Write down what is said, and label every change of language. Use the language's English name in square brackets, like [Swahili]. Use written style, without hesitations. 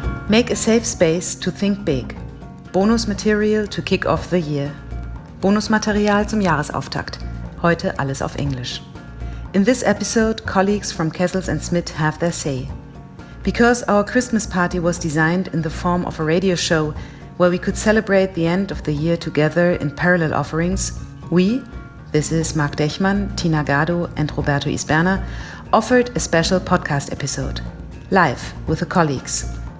[English] Make a safe space to think big. Bonus material to kick off the year. [German] Bonusmaterial zum Jahresauftakt. Heute alles auf Englisch. [English] In this episode, colleagues from Kessels and Smith have their say. Because our Christmas party was designed in the form of a radio show where we could celebrate the end of the year together in parallel offerings, we, this is Marc Dechmann, Tina Gado and Roberto Isberna, offered a special podcast episode, live with the colleagues.